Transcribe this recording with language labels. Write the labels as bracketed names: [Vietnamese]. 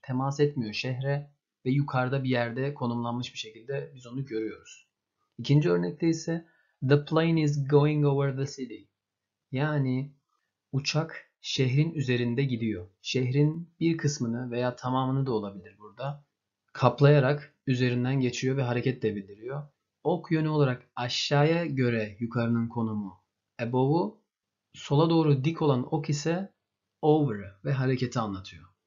[Turkish] Temas etmiyor şehre ve yukarıda bir yerde konumlanmış bir şekilde biz onu görüyoruz. İkinci örnekte ise [English] the plane is going over the city. [Turkish] Yani uçak şehrin üzerinde gidiyor. Şehrin bir kısmını veya tamamını da olabilir burada. Kaplayarak üzerinden geçiyor ve hareket de bildiriyor. Ok yönü olarak aşağıya göre yukarının konumu above'u, sola doğru dik olan ok ise over'ı ve hareketi anlatıyor.